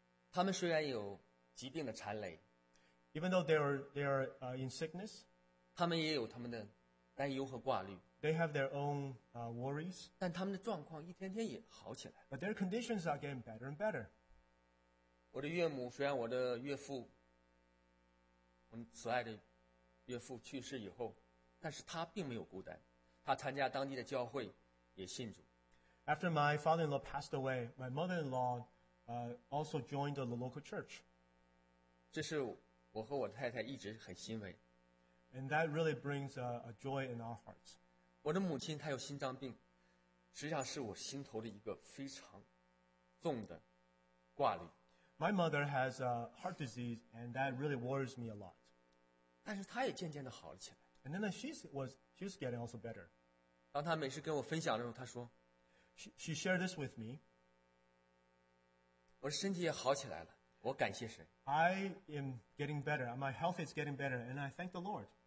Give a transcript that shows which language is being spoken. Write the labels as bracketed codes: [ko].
[zh] 他们虽然有疾病的缠累, [en] even though they are in sickness, [zh] 他们也有他们的担忧和挂虑, [en] they have their own worries. [zh] 但他们的状况一天天也好起来, [en] but their conditions are getting better and better. [zh] 我的岳母虽然我的岳父, 我所爱的岳父去世以后, 但是他并没有孤单, 他参加当地的教会, 也信主。 [en] After my father-in-law passed away, my mother-in-law also joined the local church. [zh] 这是我和我太太一直很欣慰。 [en] And that really brings a joy in our hearts. [zh] 我的母亲她有心脏病, 实际上是我心头的一个非常重的挂虑。 [en] My mother has a heart disease, and that really worries me a lot. [zh] 但是她也渐渐地好了起来。 [en] And then she was getting also better. [zh] 当她每次跟我分享的时候，她说。 [en] She shared this with me. [zh] 我身体也好起来了，我感谢神。 [en] I am getting better. My health is getting better, and I thank the Lord.